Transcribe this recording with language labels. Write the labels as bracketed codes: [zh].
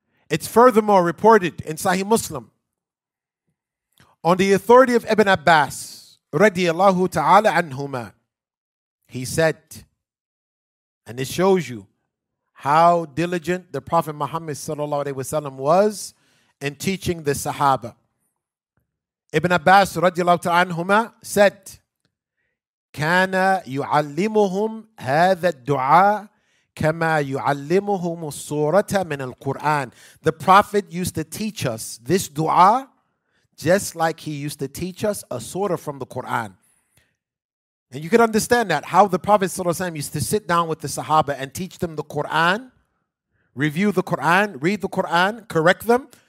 [en] It's furthermore reported in Sahih Muslim on the authority of Ibn Abbas radiallahu ta'ala anhuma, he said, and it shows you how diligent the Prophet Muhammad sallallahu alaihi wasallam was in teaching the Sahaba. [ar] Ibn Abbas radiallahu ta'ala anhuma said, كان يعلمهم هذا الدعاء كما يعلمهم الصورة من القرآن. [en] The Prophet used to teach us this dua just like he used to teach us a surah from the Quran. And you can understand that, how the Prophet ﷺ used to sit down with the Sahaba and teach them the Quran, review the Quran, read the Quran, correct them.